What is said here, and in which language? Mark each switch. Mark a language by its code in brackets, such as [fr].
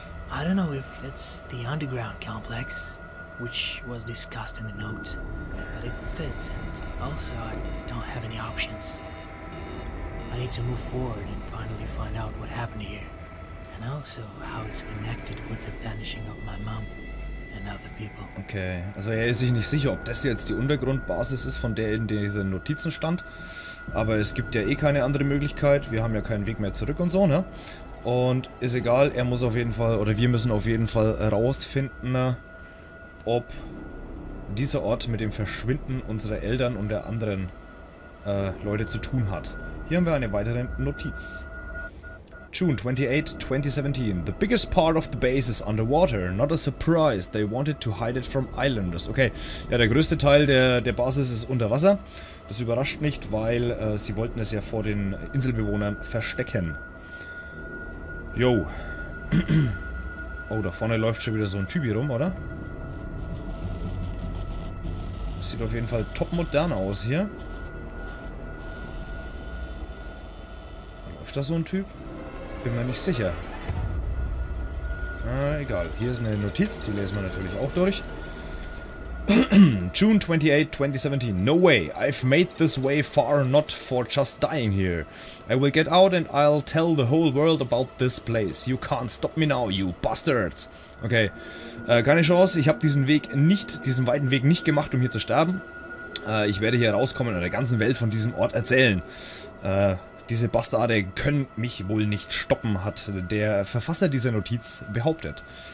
[en] I don't know if it's the underground complex, which was discussed in the note, but it fits, and also I don't have any options. I need to move forward and finally find out what happened here, and also how it's connected with the vanishing of my mom and other people. [de] Okay, also er ist sich nicht sicher, ob das jetzt die Untergrundbasis ist, von der in diesen Notizen stand, aber es gibt ja eh keine andere Möglichkeit, wir haben ja keinen Weg mehr zurück und so, ne? Und ist egal, er muss auf jeden Fall, oder wir müssen auf jeden Fall rausfinden, ob dieser Ort mit dem Verschwinden unserer Eltern und der anderen Leute zu tun hat. Hier haben wir eine weitere Notiz. [en] June 28, 2017. The biggest part of the base is underwater. Not a surprise. They wanted to hide it from islanders. [de] Okay, ja, der größte Teil der Basis ist unter Wasser. Das überrascht nicht, weil sie wollten es ja vor den Inselbewohnern verstecken. Yo. Oh, da vorne läuft schon wieder so ein Typi rum, oder? Sieht auf jeden Fall top modern aus hier. Läuft da so ein Typ? Bin mir nicht sicher. Egal. Hier ist eine Notiz, die lesen wir natürlich auch durch. [en] June 28, 2017. No way. I've made this way far not for just dying here. I will get out and I'll tell the whole world about this place. You can't stop me now, you bastards. Okay. [de] Keine Chance. Ich habe diesen weiten Weg nicht gemacht, um hier zu sterben. Ich werde hier rauskommen und der ganzen Welt von diesem Ort erzählen. Diese Bastarde können mich wohl nicht stoppen, hat der Verfasser dieser Notiz behauptet.